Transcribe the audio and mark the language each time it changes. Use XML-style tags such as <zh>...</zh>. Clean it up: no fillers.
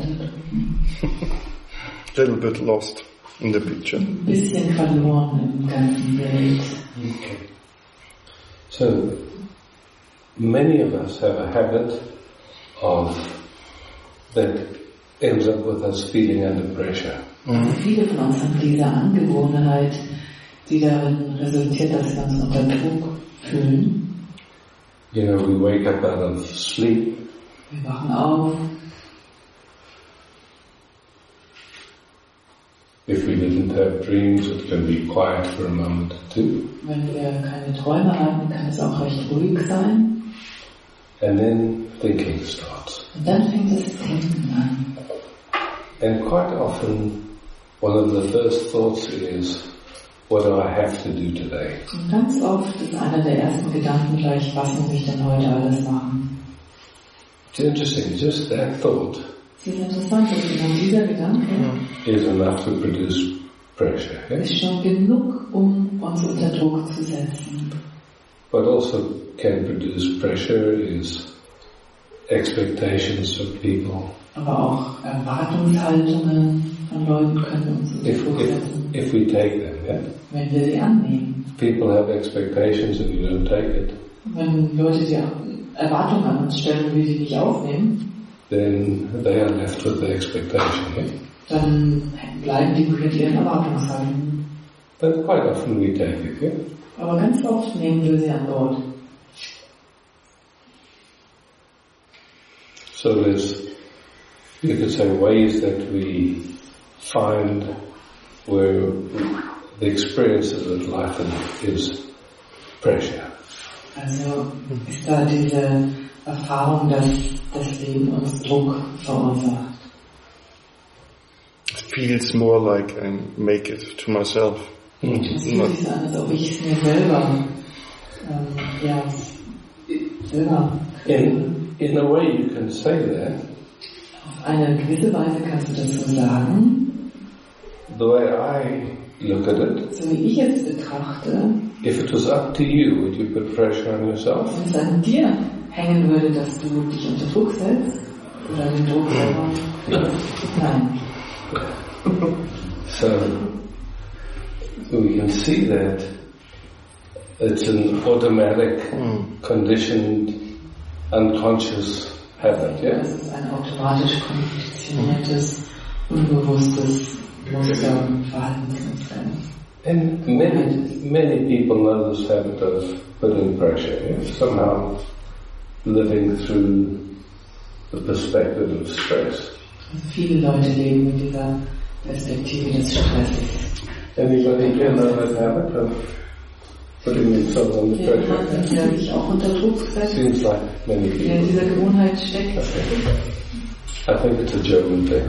<en>A little bit lost in the picture.</en> <de>Bisschen verloren im ganzen Bild.</de> <en>So, many of us have a habit of that ends up with us feeling under pressure.</en> <de>Viele von uns haben diese Angewohnheit, die darin resultiert, dass wir uns unter Druck fühlen.</de> <en>You know, we wake up out of sleep.</en> <de>Wir wachen auf.</de> <en>If we didn't have dreams, it can be quiet for a moment or two.</en> <de>Wenn wir keine Träume hatten, kann es auch recht ruhig sein.</de> <en>And then thinking starts. And then things are thinking. And quite often, one of the first thoughts is, what do I have to do today?</en> <de>Und ganz oft ist einer der ersten Gedanken gleich, was muss ich denn heute alles machen?</de> <en>It's interesting, just that thought.</en> <de>Es ist interessant, dass man dieser Gedanke</de> <en>is enough to produce pressure. Yeah?</en> <de>Ist schon genug, um uns unter Druck zu setzen.</de> <en>But also can produce pressure is expectations of people.</en> <de>Aber auch Erwartungshaltungen von Leuten können uns unter Druck setzen.</de> <en>If we take them, yeah?</en> <de>Wenn wir sie annehmen.</de> <en>People have expectations if you don't take it.</en> <de>Wenn Leute die Erwartungen an uns stellen und wir sie nicht aufnehmen,</de> <en>then they are left with the expectation, yeah?</en> <de>Dann bleiben die mit ihren Erwartungshaltungen.</de> <en>But quite often we take it, yeah?</en> <de>Aber ganz oft nehmen wir sie an Bord.</de> <en>So there's, you could say, ways that we find where the experience of that life is pressure.</en> <de>Also, ist da diese Erfahrung, dass das Leben uns Druck verursacht?</de> <en>It feels more like I make it to myself.</en> <de>Es fühlt sich an, als ob ich es mir selber, ja, selber kriege.</de> <en>In a way you can say that.</en> <de>Auf eine gewisse Weise kannst du das so sagen.</de> <en>The way I look at it.</en> <de>So wie ich es betrachte.</de> <en>If it was up to you, would you put pressure on yourself?</en> <de>Wenn es an dir hängen würde, dass du dich unter Druck setzt, oder den Druck selber.</de> <en>No.</en> <de>Nein.</de> <en>So, we can see that it's an automatic, conditioned, unconscious habit, yeah?</en> <de>Das ist ein automatisch konditioniertes, unbewusstes,</de> <en>and many people know this habit of putting pressure, yeah? Somehow living through the perspective of stress.</en> <de>Viele Leute leben in dieser Perspektive des Stresses.</de> <en>Anybody here know that habit of putting themselves under pressure? Seems like many people. I think it's a German thing.</en>